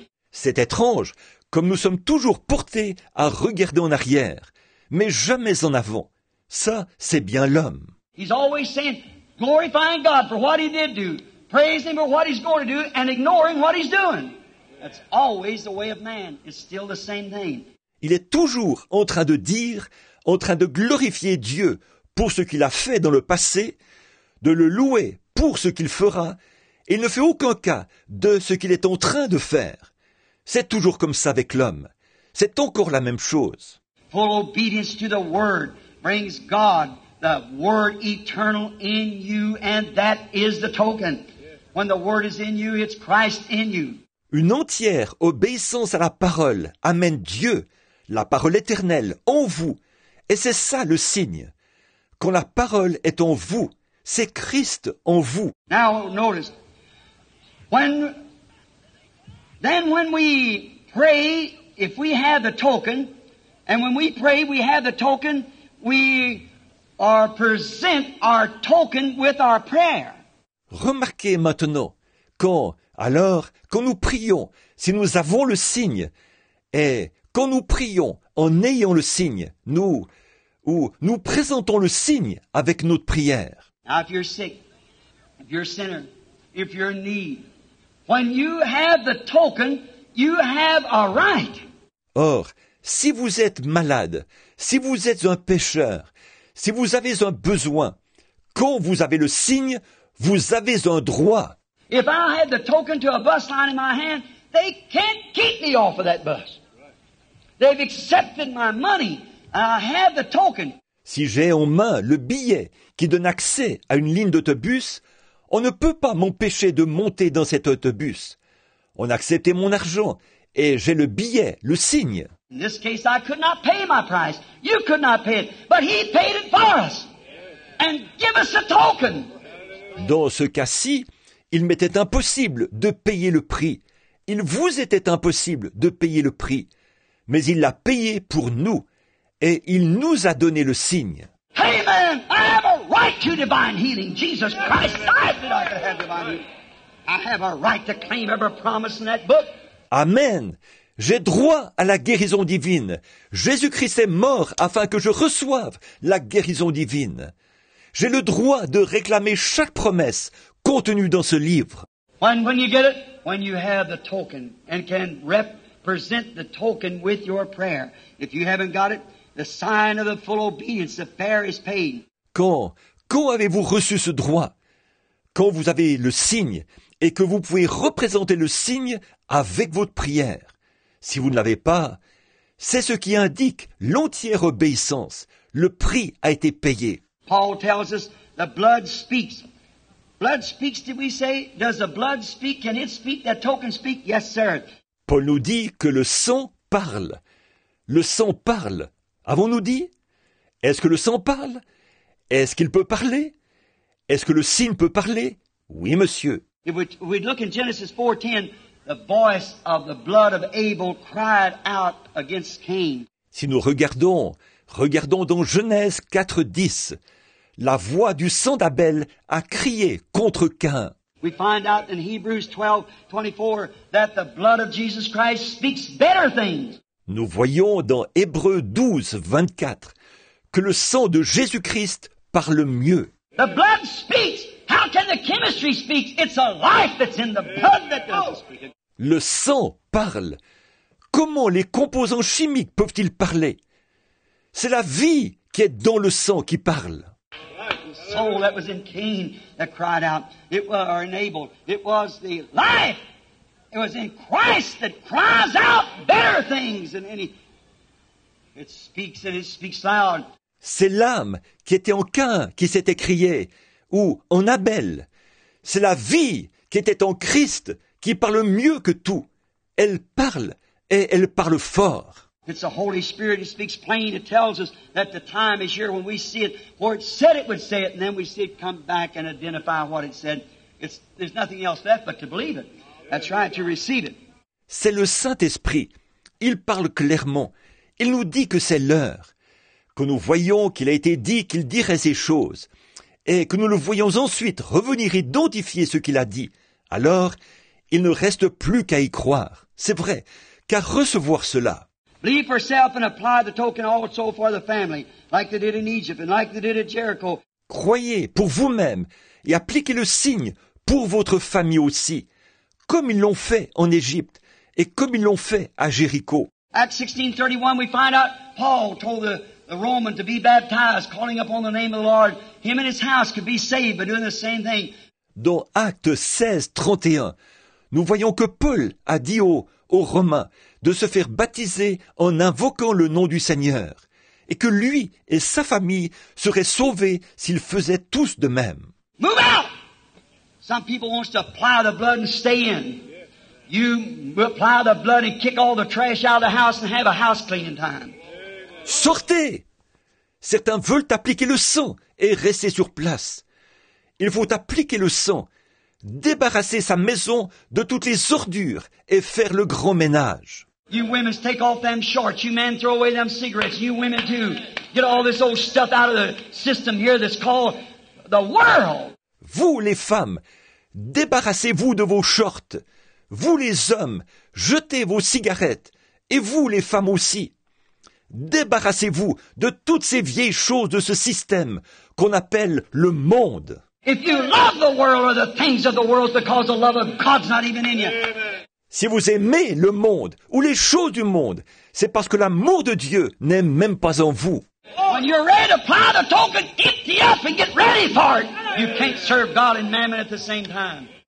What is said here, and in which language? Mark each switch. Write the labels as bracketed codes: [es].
[fr] C'est étrange, comme nous sommes toujours portés à regarder en arrière, mais jamais en avant. Ça, c'est bien l'homme. [en] He's always saying, glorifying God for what he did do, praising him for what he's going to do, and ignoring what he's doing. That's always the way of man. It's still the same thing. [fr] Il est toujours en train de dire, en train de glorifier Dieu pour ce qu'il a fait dans le passé, de le louer pour ce qu'il fera, et il ne fait aucun cas de ce qu'il est en train de faire. C'est toujours comme ça avec l'homme. C'est encore la même chose. [en] Full obedience to the word brings God the word eternal in you, and that is the token. When the word is in you, it's Christ in you. [fr] Une entière obéissance à la parole amène Dieu, la parole éternelle, en vous. Et c'est ça le signe. Quand la parole est en vous, c'est Christ en vous. [en] Now notice, when we pray, if we have the token, and when we pray we have the token, we are present our token with our prayer. [fr] Remarquez maintenant, quand nous prions, si nous avons le signe, et quand nous prions en ayant le signe, nous présentons le signe avec notre prière. [en] Now, if you're sick, if you're a sinner, if you're in need, when you have the token, you have a right. [fr] Or, si vous êtes malade, si vous êtes un pécheur, si vous avez un besoin, quand vous avez le signe, vous avez un droit. [en] If I had the token to a bus line in my hand, they can't keep me off of that bus. They've accepted my money. I have the token. [fr] Si j'ai en main le billet qui donne accès à une ligne d'autobus, on ne peut pas m'empêcher de monter dans cet autobus. On a accepté mon argent et j'ai le billet, le signe. [en] In this case, I could not pay my price. You could not pay it. But he paid it for us. And give us a token. [fr] Dans ce cas-ci, il m'était impossible de payer le prix. Il vous était impossible de payer le prix. Mais il l'a payé pour nous. Et il nous a donné le signe. Amen. [en] I have a right to divine healing. Jesus Christ died that I could have divine healing. I have a right to claim every promise in that book. Amen. [fr] J'ai droit à la guérison divine. Jésus-Christ est mort afin que je reçoive la guérison divine. J'ai le droit de réclamer chaque promesse contenue dans ce livre. [en] When you get it, when you have the token and can represent the token with your prayer. If you haven't got it, the sign of the full obedience, the fare is paid. [fr] Quand avez-vous reçu ce droit? Quand vous avez le signe et que vous pouvez représenter le signe avec votre prière. Si vous ne l'avez pas, c'est ce qui indique l'entière obéissance. Le prix a été payé. [en] Paul tells us the blood speaks. Blood speaks, did we say? Does the blood speak? Can it speak? That token speak? Yes, sir. [fr] Paul nous dit que le sang parle. Le sang parle. Avons-nous dit? Est-ce que le sang parle? Est-ce qu'il peut parler? Est-ce que le signe peut parler? Oui, monsieur. [en] If we look in Genesis 4:10, the voice of the blood of Abel cried out against Cain. [fr] Si nous regardons dans Genèse 4:10, la voix du sang d'Abel a crié contre Cain. [en] We find out in Hebrews 12:24 that the blood of Jesus Christ speaks better things. [fr] Nous voyons dans Hébreux 12:24 que le sang de Jésus-Christ parle mieux. [en] The blood speaks. How can the chemistry speak? It's a life that's in the blood that does speak. [fr] Le sang parle. Comment les composants chimiques peuvent-ils parler? C'est la vie qui est dans le sang qui parle. [en] The soul that was in Cain that cried out, it was enabled. It was the life. It was in Christ that cries out better things than any. It speaks and it speaks loud. [fr] C'est l'âme qui était en Cain qui s'est écriée, ou en Abel. C'est la vie qui était en Christ qui parle mieux que tout. Elle parle et elle parle fort. [en] It's the Holy Spirit who speaks plain. It tells us that the time is here when we see it, for it said it would say it, and then we see it come back and identify what it said. There's nothing else left but to believe it. That's right, to receive it. [fr] C'est le Saint-Esprit. Il parle clairement. Il nous dit que c'est l'heure, que nous voyons qu'il a été dit qu'il dirait ces choses, et que nous le voyons ensuite revenir identifier ce qu'il a dit. Alors, il ne reste plus qu'à y croire. C'est vrai, qu'à recevoir cela. [en] Believe for self and apply the token also for the family, like they did in Egypt and like they did at Jericho. [fr] Croyez pour vous-même et appliquez le signe pour votre famille aussi, comme ils l'ont fait en Égypte et comme ils l'ont fait à Jéricho. [en] Acts 16:31, we find out Paul told the Roman to be baptized, calling upon the name of the Lord. Him and his house could be saved by doing the same thing. [fr] Dans Actes 16:31, nous voyons que Paul a dit aux Romains de se faire baptiser en invoquant le nom du Seigneur, et que lui et sa famille seraient sauvés s'ils faisaient tous de même. [en] Move out! Some people want to apply the blood and stay in. You apply the blood and kick all the trash out of the house and have a house cleaning time. [fr] Sortez! Certains veulent appliquer le sang et rester sur place. Il faut appliquer le sang, débarrasser sa maison de toutes les ordures et faire le grand ménage. [en] You women take off them shorts. You men throw away them cigarettes. You women too. Get all this old stuff out of the system here that's called the world. [fr] Vous, les femmes, débarrassez-vous de vos shorts. Vous, les hommes, jetez vos cigarettes. Et vous, les femmes aussi. Débarrassez-vous de toutes ces vieilles choses de ce système qu'on appelle le monde. [en] If you love the world or the things of the world because the love of God's not even in you. [fr] Si vous aimez le monde ou les choses du monde, c'est parce que l'amour de Dieu n'est même pas en vous. [en] When you're ready to apply the token, get up and get ready for it. You can't serve God and mammon at the same time.